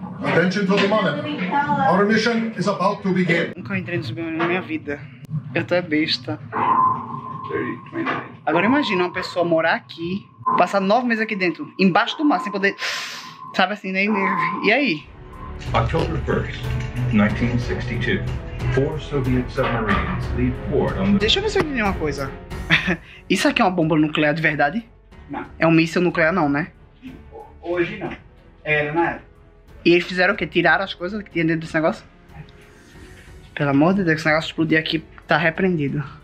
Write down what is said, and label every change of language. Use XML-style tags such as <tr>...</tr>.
<en>Attention to the monitor. Our mission is about to begin.</en> <pt>Nunca entrei no submarino na minha vida. Eu tô é besta. Agora imagina uma pessoa morar aqui, passar 9 meses aqui dentro, embaixo do mar, sem poder. Sabe assim, nem mesmo. E aí?</pt> <en>October 1st, 1962. Four Soviet submarines leave port on the...</en> <pt>Deixa eu ver se eu entendi uma coisa. Isso aqui é uma bomba nuclear de verdade? Não. É um míssil nuclear não, né? Hoje não. Era na época. E eles fizeram o quê? Tiraram as coisas que tinha dentro desse negócio? Pelo amor de Deus, esse negócio explodir aqui tá repreendido.</pt>